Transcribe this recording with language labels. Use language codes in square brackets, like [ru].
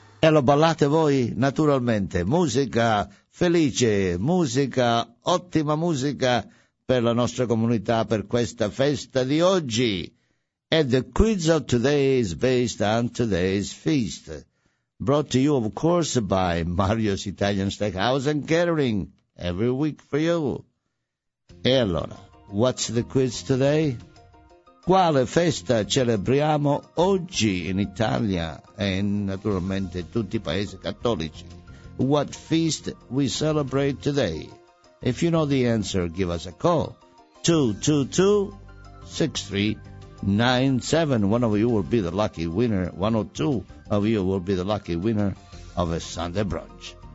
[it] Lo ballate voi naturalmente, musica felice, musica ottima, musica per la nostra comunità per questa festa di oggi. [en] And the quiz of today is based on today's feast, brought to you of course by Mario's Italian Steakhouse and Catering, every week for you. [it] E allora, [en] what's the quiz today? [it] Quale festa celebriamo oggi in Italia e naturalmente tutti i paesi cattolici? [en] What feast we celebrate today? If you know the answer, give us a call. 222-6397. One of you will be the lucky winner. One or two of you will be the lucky winner of a Sunday brunch.